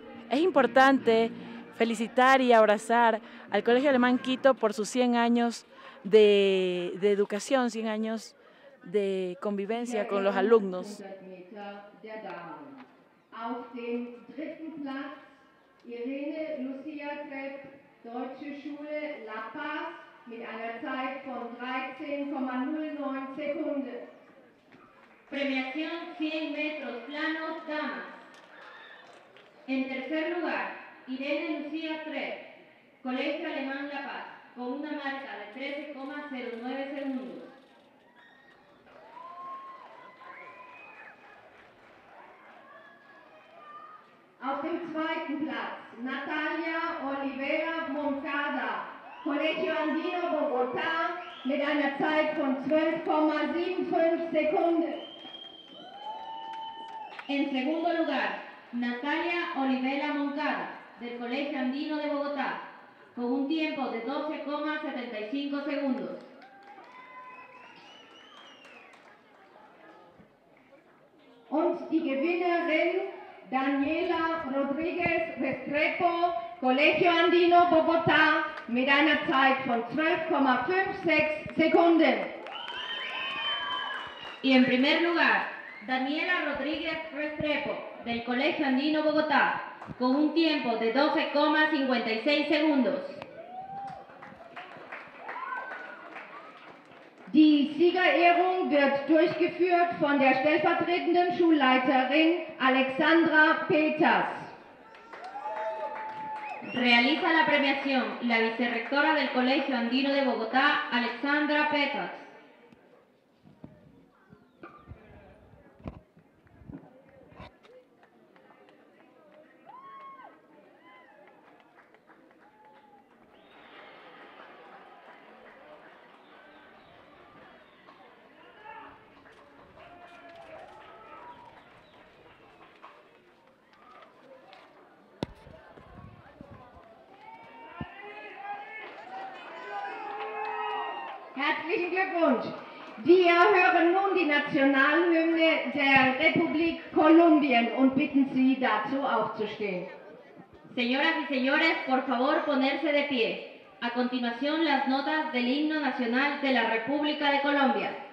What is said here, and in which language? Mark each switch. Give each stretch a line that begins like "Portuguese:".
Spanish: Es importante felicitar y abrazar al Colegio Alemán Quito por sus 100 años de educación, 100 años de convivencia con los alumnos.
German: Auf dem dritten Platz Irene Lucia Krepp, Deutsche Schule La Paz, mit einer Zeit von 13,09 Sekunden.
Spanish: Premiación 100 metros planos damas. En tercer lugar, Irene Lucía Krepp, Colegio Alemán La Paz, con una marca de 13,09 segundos.
German: Auf dem zweiten Platz, Natalia Olivera Moncada, Colegio Andino Bogotá, mit einer Zeit von 12,75 Sekunden.
Spanish: En segundo lugar, Natalia Olivera Moncada, del Colegio Andino de Bogotá, con un tiempo de 12,75 segundos.
German: Und die Gewinnerin Daniela Rodríguez Restrepo, Colegio Andino Bogotá, mit einer Zeit von 12,56 Sekunden.
Spanish: Y en primer lugar, Daniela Rodríguez Restrepo, del Colegio Andino Bogotá, con un tiempo de 12,56 segundos.
German: Die Siegerehrung wird durchgeführt von der stellvertretenden Schulleiterin Alexandra Peters.
Spanish: Realiza la premiación la vicerrectora del Colegio Andino de Bogotá, Alexandra Peters.
German: Herzlichen Glückwunsch! Wir hören nun die Nationalhymne der Republik Kolumbien und bitten Sie dazu aufzustehen.
Spanish: Señoras y señores, por favor ponerse de pie. A continuación las notas del himno nacional de la República de Colombia.